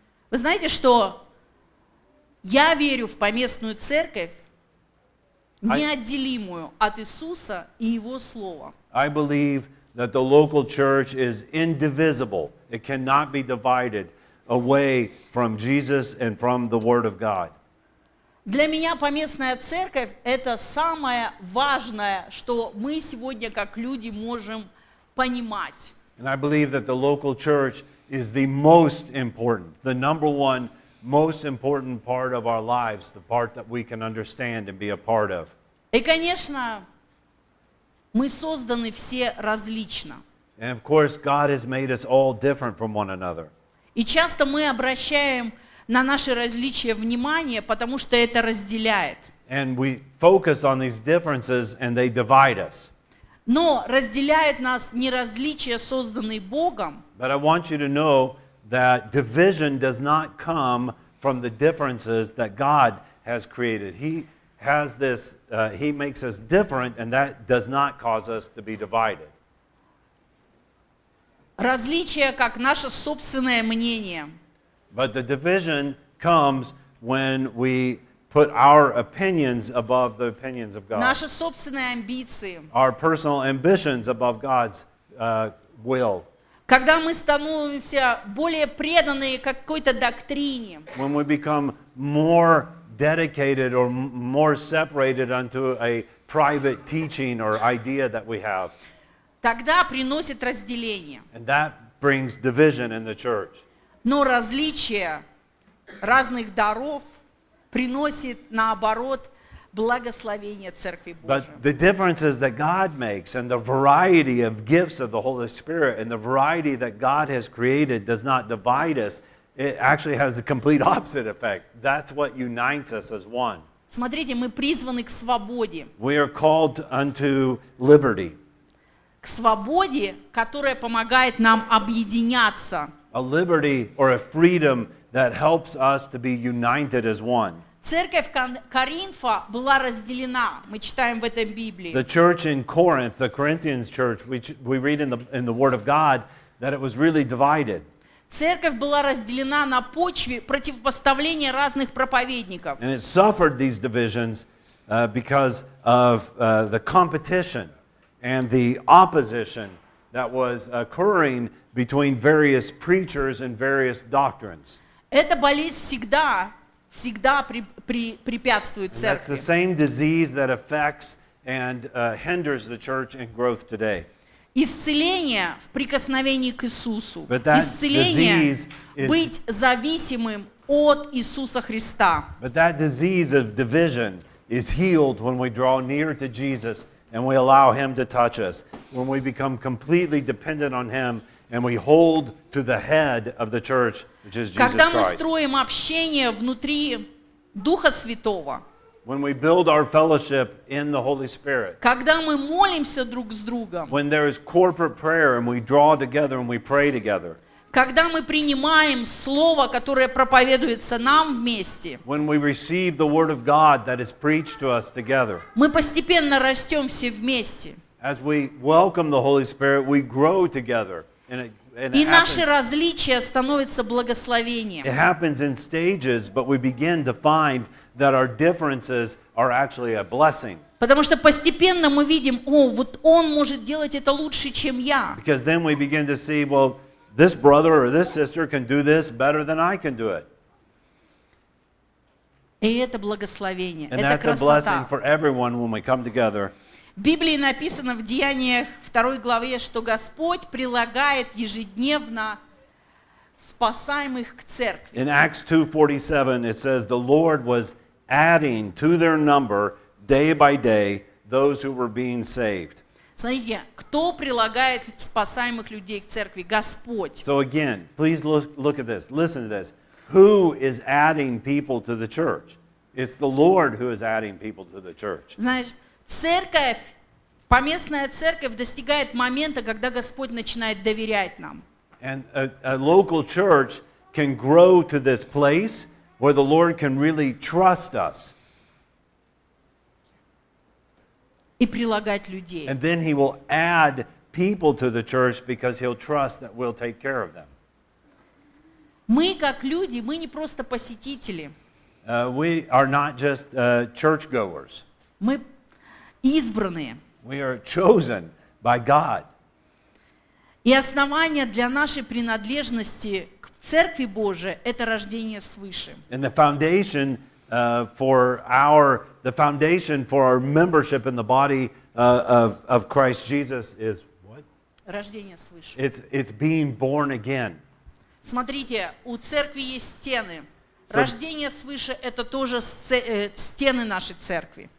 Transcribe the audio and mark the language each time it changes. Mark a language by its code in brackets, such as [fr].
[ru] Вы знаете, что я верю в поместную церковь, неотделимую от Иисуса и Его Слова. [en] I believe that the local church is indivisible. It cannot be divided away from Jesus and from the Word of God. [ru] Для меня поместная церковь – это самое важное, что мы сегодня как люди можем понимать. [en] And I believe that the local church is the most important, the number one most important part of our lives, the part that we can understand and be a part of. [ru] И, конечно, мы созданы все различно. [en] And of course, God has made us all different from one another. [ru] И часто мы обращаем на наши различия внимание, потому что это разделяет. [en] And we focus on these differences and they divide us. [ru] Но разделяет нас не различия, созданные Богом. [en] But I want you to know that division does not come from the differences that God has created. He has this, he makes us different, and that does not cause us to be divided. [ru] Различие как наше собственное мнение. [en] But the division comes when we put our opinions above the opinions of God. [ru] Наши собственные амбиции. [en] Our personal ambitions above God's will. [ru] Когда мы становимся более преданные какой-то доктрине. [en] When we become more dedicated or more separated unto a private teaching or idea that we have. [ru] Тогда приносит разделение. [en] And that brings division in the church. [ru] Но различие разных даров приносит, наоборот, благословение Церкви Божией. [en] But the differences that God makes and the variety of gifts of the Holy Spirit and the variety that God has created does not divide us. It actually has the complete opposite effect. That's what unites us as one. [ru] Смотрите, мы призваны к свободе. [en] We are called unto liberty. [ru] К свободе, которая помогает нам объединяться. [en] A liberty or a freedom that helps us to be united as one. [ru] Церковь Коринфа была разделена. Мы читаем в этой Библии. [en] The church in Corinth, the Corinthians church, which we read in the Word of God, that it was really divided. [ru] Церковь была разделена на почве противопоставления разных проповедников. [en] And it suffered these divisions because of the competition and the opposition that was occurring between various preachers and various doctrines. [ru] Эта болезнь всегда препятствует церкви. [en] That's the same disease that affects and hinders the church in growth today. [ru] Исцеление в прикосновении к Иисусу. [en] But that [ru] быть зависимым от Иисуса Христа. [en] But that disease of division is healed when we draw near to Jesus and we allow him to touch us, when we become completely dependent on him and we hold to the head of the church, which is Jesus Christ. [ru] Когда мы строим общение внутри Духа Святого, [en] when we build our fellowship in the Holy Spirit, [ru] когда мы молимся друг с другом, [en] when there is corporate prayer and we draw together and we pray together, [ru] когда мы принимаем слово, которое проповедуется нам вместе, [en] when we receive the word of God that is preached to us together, [ru] мы постепенно растем все вместе. [en] As we welcome the Holy Spirit, we grow together. [ru] И наши различия становятся благословением. [en] It happens in stages, but we begin to find that our differences are actually a blessing. [ru] Потому что постепенно мы видим, о, вот он может делать это лучше, чем я. [en] Because then we begin to see, well, this brother or this sister can do this better than I can do it. [ru] И это благословение. [en] And [ru] это [en] that's [ru] красота. [en] A blessing for everyone when we come together. [ru] В Библии написано в Деяниях 2 главе, что Господь прилагает ежедневно спасаемых к церкви. [en] In Acts 2:47 it says the Lord was adding to their number day by day those who were being saved. [ru] Смотрите, кто прилагает спасаемых людей к церкви? Господь. [en] So again, please look at this. Listen to this. Who is adding people to the church? It's the Lord who is adding people to the church. [ru] Знаешь, церковь, поместная церковь достигает момента, когда Господь начинает доверять нам. [en] And a local church can grow to this place where the Lord can really trust us. [ru] И прилагать людей. [en] And then he will add people to the church because he'll trust that we'll take care of them. [ru] Мы как люди, мы не просто посетители. [en] We are not just churchgoers. [ru] Мы избранные. [en] We are chosen by God. [ru] И основание для нашей принадлежности к Церкви Божией – это рождение свыше. [en] And the foundation for our membership in the body of Christ Jesus is what? [ru] Рождение свыше. [en] It's being born again. [ru] Смотрите, у церкви есть стены. So, рождение свыше – это тоже стены нашей церкви.